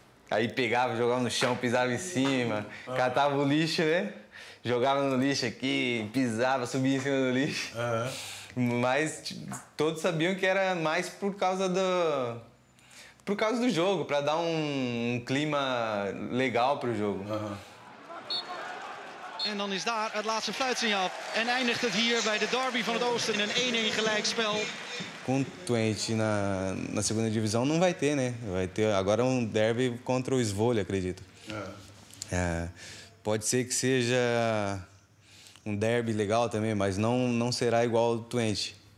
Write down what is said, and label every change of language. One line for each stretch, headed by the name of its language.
Portuguese: Aí pegava, jogava no chão, pisava em cima, uhum. Catava o lixo, né? Jogava no lixo aqui, pisava, subia em cima do lixo. Uhum. Mas todos sabiam que era mais por causa do... Por causa do jogo, para dar um clima legal pro jogo.
Dutch: En dan is daar het laatste fluitsignaal en eindigt het hier bij de derby van het Oosten in een 1-1 gelijkspel.
Portuguese: Com Twente na segunda divisão não vai ter, né? Vai ter agora um derby contra o Zvolha, acredito. É. Pode ser que seja um derby legal também, mas não será igual ao Twente.